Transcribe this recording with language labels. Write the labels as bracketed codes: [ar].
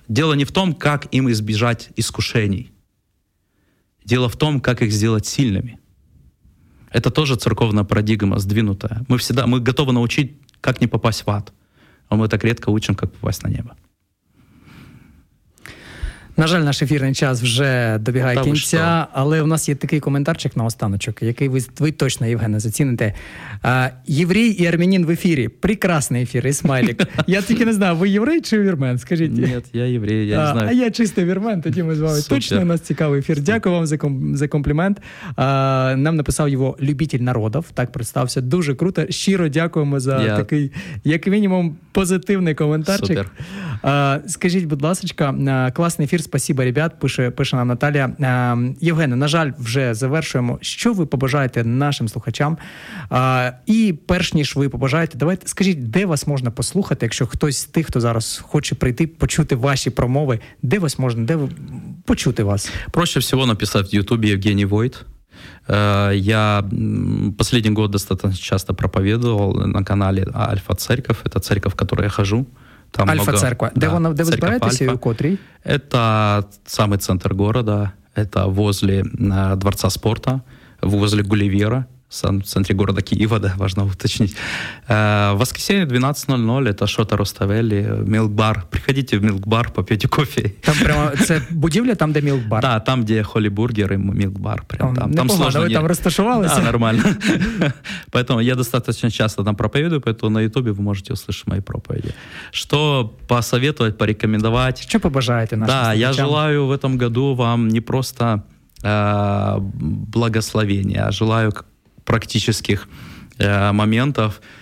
[ru] Дело не в том, как им избежать искушений. Дело в том, как их сделать сильными. Это тоже церковная парадигма сдвинутая. Мы готовы научить, как не попасть в ад. А мы так редко учим, как попасть на небо. [uk] На жаль, наш ефірний час вже добігає кінця, але у нас є такий коментарчик на останочок, який ви точно, Євгене, заціните. Єврій і армянин в ефірі. Прекрасний ефір, Ісмайлік. Я тільки не знаю, ви єврей чи вірмен, скажіть? Ні, я єврей, я не знаю. А я чистий вірмен, тоді ми з вами. Супер. Точно у нас цікавий ефір. Дякую вам за комплімент. Нам написав його любитель народів, так представився. Дуже круто, щиро дякуємо за такий, як мінімум, позитивний коментарчик. Супер. Скажіть, будь ласочка, класний ефір, [ru] спасибо, ребят, [uk] пише нам Наталія. Євгене, на жаль, вже завершуємо. Що ви побажаєте нашим слухачам? І перш ніж ви побажаєте, давайте скажіть, де вас можна послухати, якщо хтось з тих, хто зараз хоче прийти, почути ваші промови, де вас можна, де почути вас? Проще всього написати в Ютубі Євгеній Войт. [ru] Я последний год достаточно часто проповедовал на канале Альфа Церковь. Это церковь, в которую я хожу. Там Альфа много... Церковь. Да, где вы собираетесь и у котрей? Это самый центр города. Это возле Дворца спорта, возле Гулливера, в центре города Киева, да, важно уточнить. В воскресенье 12:00 это Шота Роставели, милк-бар. Приходите в милк-бар, попьете кофе. [uk] Там прямо, це будівля, там, де милк-бар? [ru] Да, там, где холлибургер и милк-бар. Там сложно. Вы там растушевались? Да, нормально. Поэтому я достаточно часто там проповедую, поэтому на Ютубе вы можете услышать мои проповеди. Что посоветовать, порекомендовать? Что побожаете нашим слушателям? Да, я желаю в этом году вам не просто благословения, а желаю практических моментов.